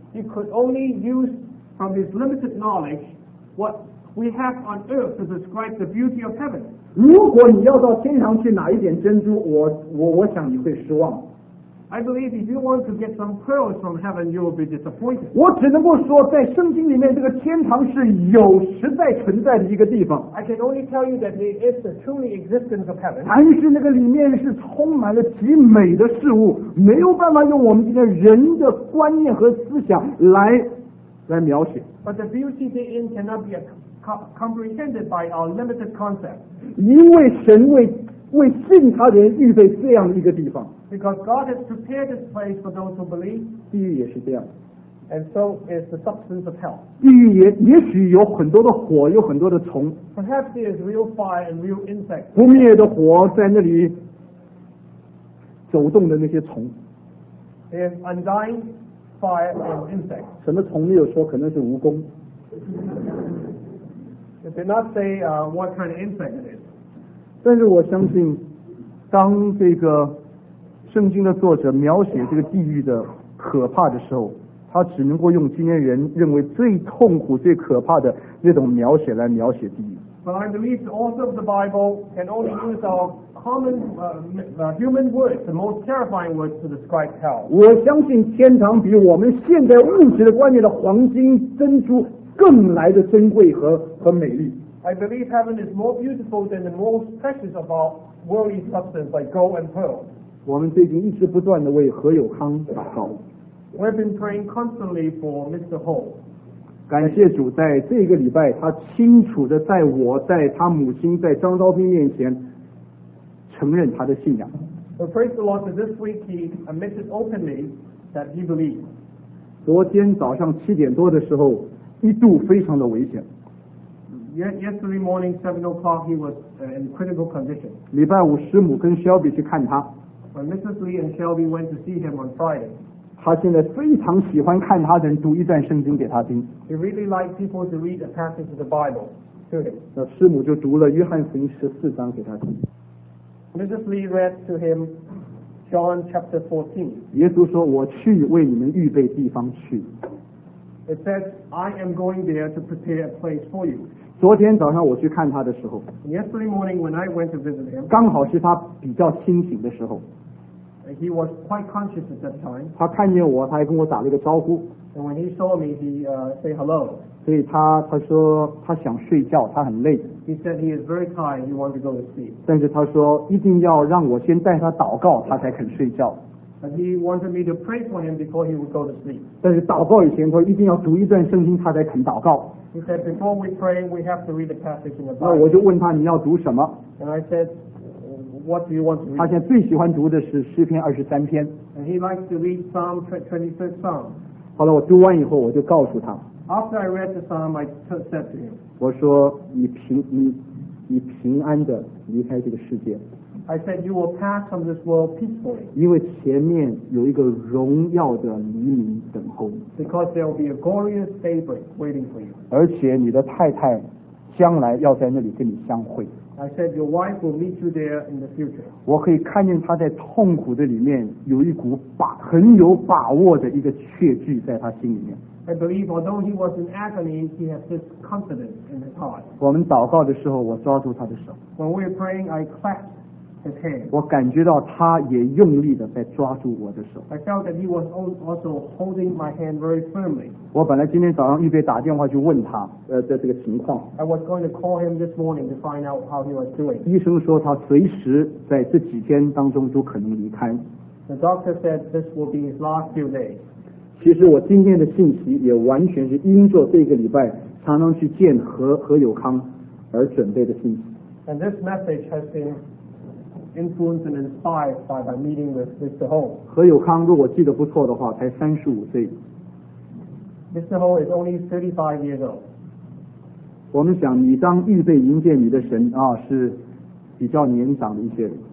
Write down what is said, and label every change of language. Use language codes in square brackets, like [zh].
[en] He could only use from his limited knowledge what we have on earth to describe the beauty of heaven. [zh] 如果你要到天堂去拿一点珍珠，我想你会失望。 [en] I believe if you want to get some pearls from heaven, you will be disappointed. [zh] 我只能够说在圣经里面这个天堂是有实在存在的一个地方。 [en] I can only tell you that there is the truly existence of heaven. [zh] 但是那个里面是充满了极美的事物没有办法用我们今天人的观念和思想来描写。 [en] But the beauty therein cannot be comprehended by our limited concept. [zh] 因为神为信他人预备这样一个地方。 [en] Because God has prepared this place for those who believe. [zh] 地狱也是这样。 [en] And so is the substance of hell. [zh] 地狱也许有很多的火有很多的虫。 [en] Perhaps there is real fire and real insects. [zh] 不灭的火在那里走动的那些虫。 [en] There is undying fire and insects. [zh] 什么虫没有说可能是蜈蚣。 [en] It did not say what kind of insect it is. [zh] 但是我相信当这个圣经的作者描写这个地狱的可怕的时候他只能够用今天人认为最痛苦最可怕的那种描写来描写地狱 [en] But I believe the author of the Bible can only use our common human words the most terrifying words to describe hell [zh] 我相信天堂比我们现在物质的观念的黄金珍珠更来的珍贵 和美丽 [en] I believe heaven is more beautiful than the most precious of our worldly substance like gold and pearl. [zh] 我们最近一直不断地为何友康祷告。 [en] We've been praying constantly for Mr. Ho. [zh] 感谢主在这个礼拜他清楚地在我在他母亲在张昭斌面前承认他的信仰。 [en] So praise the Lord that this week he admitted openly that he believed. [zh] 昨天早上七点多的时候一度非常的危险。 [en] Yesterday morning, 7 o'clock, he was in critical condition. [zh] 礼拜五师母跟 Shelby 去看他。 [en] When Mrs. Lee and Shelby went to see him on Friday. [zh] 他现在非常喜欢看他的人读一段圣经给他听。 [en] He really liked people to read a passage of the Bible. to him. [zh] 那师母就读了约翰福音十四章给他听。 [en] Mrs. Lee read to him John chapter 14. [zh] 耶稣说我去为你们预备地方去。 [en] It says, I am going there to prepare a place for you. [zh] 昨天早上我去看他的时候。 [en] Yesterday morning when I went to visit him. [zh] 刚好是他比较清醒的时候。 [en] He was quite conscious at that time. [zh] 他看见我他还跟我打了一个招呼。 [en] And when he saw me, he said hello. [zh] 所以他说他想睡觉他很累。 [en] He said he is very tired, he wants to go to sleep. [zh] 但是他说一定要让我先带他祷告他才肯睡觉。 [en] And he wanted me to pray for him before he would go to sleep. [zh] 但是祷告以前他一定要读一段圣经他才肯祷告。 [en] He said before we pray, we have to read the passage in the Bible. [zh] 那我就问他你要读什么。 [en] And I said, what do you want to read? [zh] 他现在最喜欢读的是诗篇二十三篇。 [en] And he likes to read Psalm 23 Psalm. [zh] 好了我读完以后我就告诉他。 [en] After I read the Psalm, I said to him, [zh] 我说你平安地离开这个世界。 [en] I said, you will pass from this world peacefully. [zh] 因为前面有一个荣耀的黎明等候。 [en] Because there will be a glorious daybreak waiting for you. [zh] 而且你的太太将来要在那里跟你相会。 [en] I said, your wife will meet you there in the future. [zh] 我可以看见她在痛苦的里面有一股很有把握的一个确据在她心里面。 [en] I believe although he was in agony, he has this confidence in his heart. [zh] 我们祷告的时候我抓住他的手。 [en] When we were praying, I clasped his hand. [zh] 我感觉到他也用力地在抓住我的手。 [en] I felt that he was also holding my hand very firmly. [zh] 我本来今天早上预备打电话去问他的这个情况。 [en] I was going to call him this morning to find out how he was doing. [zh] 医生说他随时在这几天当中都可能离开。 [en] The doctor said this will be his last few days. [zh] 其实我今天的信息也完全是因着这个礼拜常常去见何友康而准备的信息。 [en] And this message has been influenced and inspired by my meeting with Mr. Ho. [zh] 何友康如果记得不错的话才35岁。 [en] Mr. Ho is only 35 years old. [zh] 我们想你当预备迎接你的神啊是比较年长的一些人。